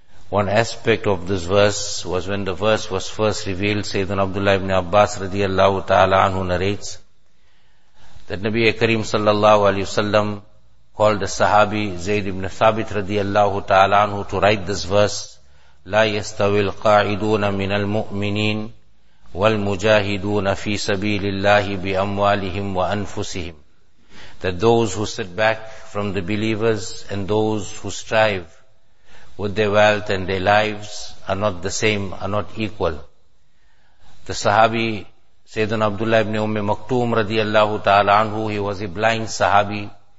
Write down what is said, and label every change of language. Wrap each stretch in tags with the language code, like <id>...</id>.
<en>One aspect of this verse was when the verse was first revealed, Sayyidina Abdullah ibn Abbas radiallahu ta'ala anhu narrates that Nabi Karim sallallahu alayhi wa sallam called the sahabi Zayd ibn Thabit radiallahu ta'ala anhu to write this verse.</en> <ar>لا يستوي القاعدون من المؤمنين والمجاهدون في سبيل الله بأموالهم وأنفسهم.</ar> <en>That those who sit back from the believers and those who strive with their wealth and their lives are not the same, are not equal. The Sahabi, Sayyidina Abdullah ibn Maktoum radiallahu ta'ala anhu, he was a blind Sahabi.</en>